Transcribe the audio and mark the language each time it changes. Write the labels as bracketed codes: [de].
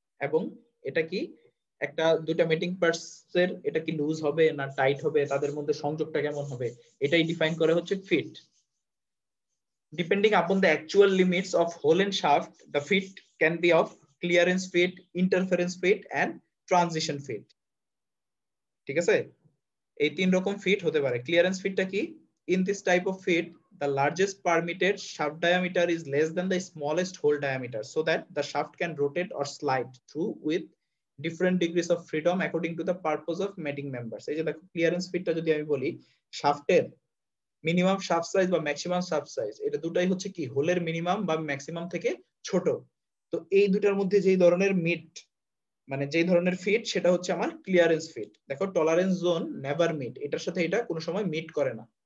[bn] এবং এটা কি, একটা দুইটা মেটিং পার্টস এর এটা কি লুজ হবে না টাইট হবে, তাদের মধ্যে সংযোগটা কেমন হবে, এটাই ডিফাইন করে হচ্ছে fit. [en] depending upon the actual limits of hole and shaft, the fit can be of clearance fit, interference fit, and transition fit. [bn] ঠিক আছে? এই তিন রকম fit হতে পারে. Clearance fit টা কি? [en] In this type of fit, the largest permitted shaft diameter is less than the smallest hole diameter, so that the shaft can rotate or slide through with different degrees of freedom according to the purpose of mating members. [bn] এই যে দেখো clearance fit টা যদি আমি বলি, শাফটের minimum shaft size বা maximum shaft size, এটা দুটাই হচ্ছে কি, হোলের মিনিমাম বা ম্যাক্সিমাম থেকে ছোট. তো এই দুটার মধ্যে যেই ধরনের মিট, মানে যেই ধরনের ফিট, সেটা হচ্ছে আমার ক্লিয়ারেন্স ফিট. দেখো [en] tolerance zone never meet, [bn] এটার সাথে এটা কোনো সময় মিট করে না.